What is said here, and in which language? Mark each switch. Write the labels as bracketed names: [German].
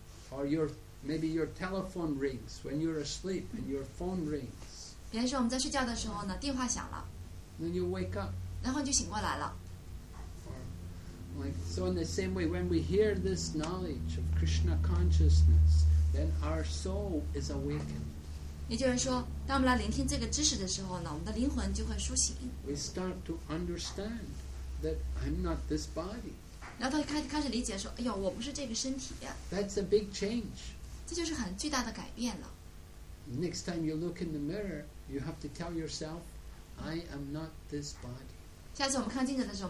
[English] Or maybe your telephone rings when you're asleep and your phone rings. [Chinese] 别人说我们在睡觉的时候呢，电话响了。 [English] Then you wake up. [Chinese] 然后你就醒过来了。 [English] So in the same way, when we hear this knowledge of Krishna consciousness, then our soul is awakened. [Chinese] 也就是说，当我们来聆听这个知识的时候呢，我们的灵魂就会苏醒。 [English] We start to understand that I'm not this body. [Chinese] 然后他开始理解说：“哎呦，我不是这个身体。” [English] That's a big change. [Chinese] 这就是很巨大的改变了。 [English] Next time you look in the mirror, you have to tell yourself, "I am not this body."